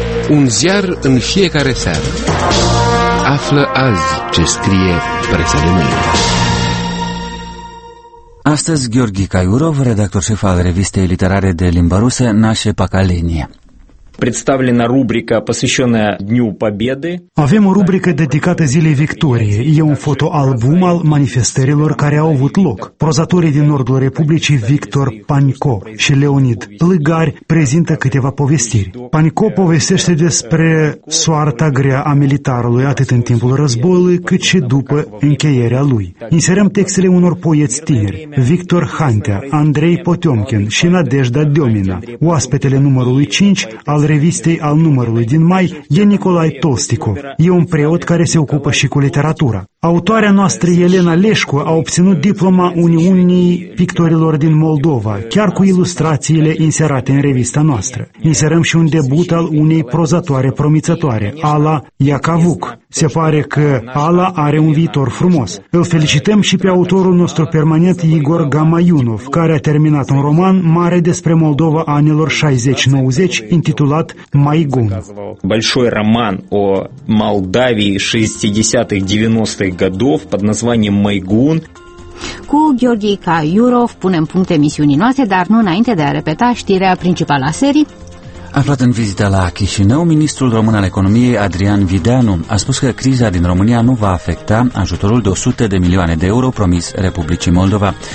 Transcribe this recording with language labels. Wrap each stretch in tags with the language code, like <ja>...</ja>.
<ro>Un ziar în fiecare seară. Află azi ce scrie presa de mâine. Astăzi, Gheorghi Caiurov, redactor șef al revistei literare de limba rusă, Nașe Pakalenie.</ro> <ru>представлена рубрика, посвященная Дню Победы.</ru> <ro>Avem o rubrică dedicată zilei Victoriei. E un fotoalbum al manifestărilor care au avut loc. Prozatorii din nordul Republicii, Victor Panico și Leonid Plăgari, prezintă câteva povestiri. Panico povestește despre soarta grea a militarului atât în timpul războiului, cât și după încheierea lui. Inserăm textele unor poeți tineri, Victor Hantea, Andrei Potemkin și Nadejda Deomina. Oaspetele numărului 5 al revistei al numărului din mai e Nicolae Tolstikov. E un preot care se ocupă și cu literatura. Autoarea noastră, Elena Leșcu, a obținut diploma Uniunii Pictorilor din Moldova, chiar cu ilustrațiile inserate în revista noastră. Inserăm și un debut al unei prozatoare promițătoare, Ala Iacavuc. Se pare că Ala are un viitor frumos. Îl felicităm și pe autorul nostru permanent, Igor Gamayunov, care a terminat un roman mare despre Moldova anilor 60-90, intitulat Maigun.</ro> <ru>Большой роман о Молдавии 60-90-х годов под названием Майгун.</ru> <ro>Cu Gheorghe Caiurov punem punct emisiunii noastre, dar nu înainte de a repeta știrea principală a serii. Aflat în vizită la Chișinău, ministrul român al economiei Adrian Videanu a spus că criza din România nu va afecta ajutorul de 100 de milioane de euro promis Republicii Moldova.</ro>